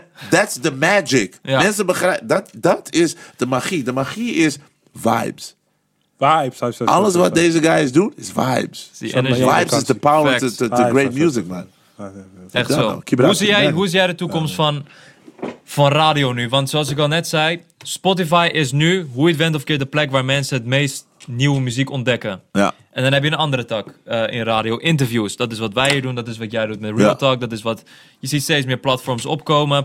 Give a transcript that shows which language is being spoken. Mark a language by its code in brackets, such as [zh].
[en] That's the magic. [nl] Ja. Mensen begrijpen, dat is de magie. De magie is vibes. Alles wat deze guys doen is vibes. [en] Vibes is the power to great music, man. [nl] Echt zo. Hoe zie jij de toekomst van radio nu? Want zoals ik al net zei, Spotify is nu, hoe het went of keer, de plek waar mensen het meest nieuwe muziek ontdekken. Ja. En dan heb je een andere tak in radio. Interviews. Dat is wat wij hier doen. Dat is wat jij doet met Real Talk. Dat is wat je ziet steeds meer platforms opkomen.